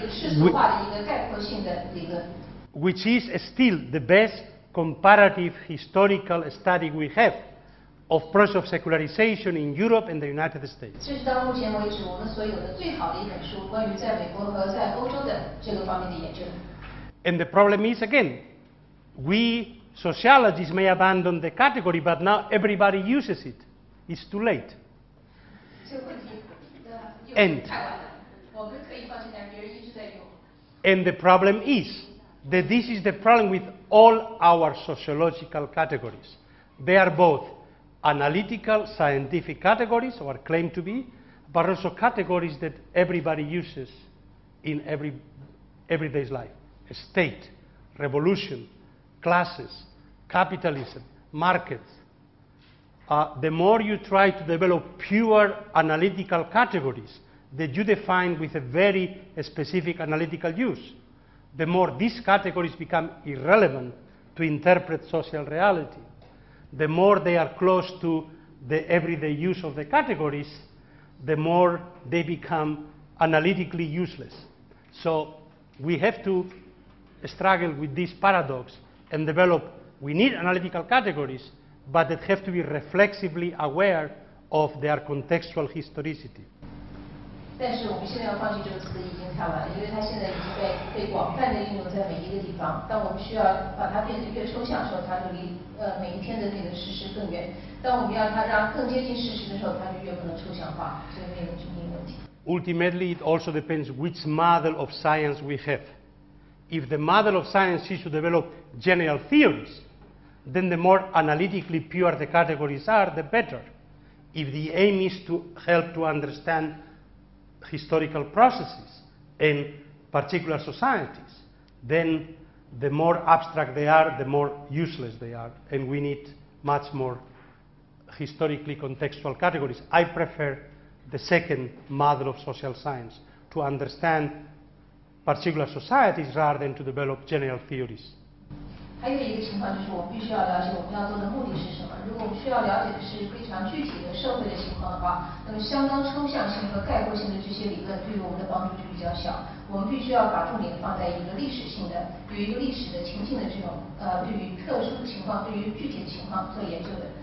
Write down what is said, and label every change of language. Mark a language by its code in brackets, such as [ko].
[zh] 世俗化的一个概括性的理论, [en] which is still the best comparative historical study we have of process of secularization in Europe and the United States. [zh] 这是到目前为止我们所有的最好的一本书，关于在美国和在欧洲的这个方面的研究。 [en] And the problem is again, we sociologists may abandon the category, but now everybody uses it. It's too late. [zh] 这个问题又太晚了，我们可以放弃，但别人一直在用。 [en] And the problem is that this is the problem with all our sociological categories. They are both analytical scientific categories, or claim to be, but also categories that everybody uses in everyday's life. State, revolution, classes, capitalism, markets. The more you try to develop pure analytical categories that you define with a very specific analytical use, the more these categories become irrelevant to interpret social reality. The more they are close to the everyday use of the categories, the more they become analytically useless. So we have to struggle with this paradox and develop, we need analytical categories, but they have to be reflexively aware of their contextual historicity. [zh] 但是我们现在要放弃这个词已经太晚了，因为它现在已经被广泛的运用在每一个地方。当我们需要把它变得越抽象的时候，它就离每一天的那个事实更远。当我们要它让更接近事实的时候，它就越不能抽象化，所以没有经验问题。 [en] Ultimately, it also depends which model of science we have. If the model of science is to develop general theories, then the more analytically pure the categories are, the better. If the aim is to help to understand historical processes and particular societies, then the more abstract they are, the more useless they are, and we need much more historically contextual categories. I prefer the second model of social science, to understand particular societies rather than to develop general theories. [zh] 还有一个情况就是我必须要了解我们要做的目的是什么。如果我们需要了解的是非常具体的社会的情况的话，那么相当抽象性和概括性的这些理论对于我们的帮助就比较小。我们必须要把重点放在一个历史性的，对于一个历史的情境的这种对于特殊的情况，对于具体的情况做研究的。